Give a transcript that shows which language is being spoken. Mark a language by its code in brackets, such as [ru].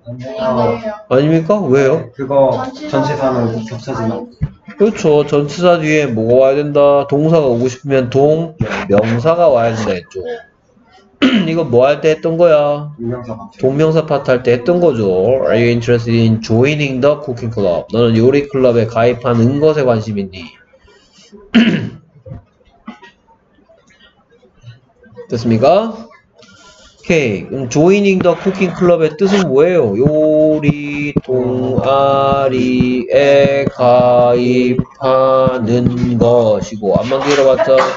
[ko] 아니에요. 아닙니까? 왜요? 그거 전치사는 격차지만. 그렇죠. 전치사 뒤에 뭐가 와야 된다? 동사가 오고 싶으면 동 명사가 와야 된다 했죠. 이거 뭐 할 때 했던 거야? 동명사 파트 할 때 했던 거죠. [en] Are you interested in joining the cooking club? [ko] 너는 요리 클럽에 가입하는 것에 관심 있니? 됐습니까? 오케이. 그럼 [en] joining the cooking club [ko] 의 뜻은 뭐예요? 요리 동아리에 가입하는 것이고 안만 들어봤죠?